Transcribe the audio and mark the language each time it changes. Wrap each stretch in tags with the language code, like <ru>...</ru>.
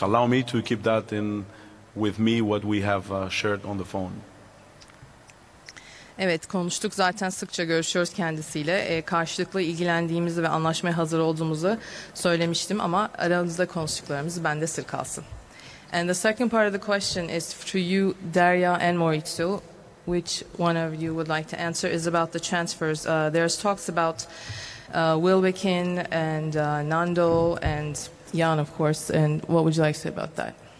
<en>Allow me to keep that in with me what we have shared on the phone.</en> <tr>Evet, konuştuk zaten, sıkça görüşüyoruz kendisiyle. Karşılıklı ilgilendiğimizi ve anlaşmaya hazır olduğumuzu söylemiştim ama aramızda konuştuklarımız bende sır kalsın.</tr> <en>And the second part of the question is to you, Derya and Mauricio, which one of you would like to answer, is about the transfers. There's talks about Wilbekin and Nando and Jan, of course, and what would you like to say about that?</en>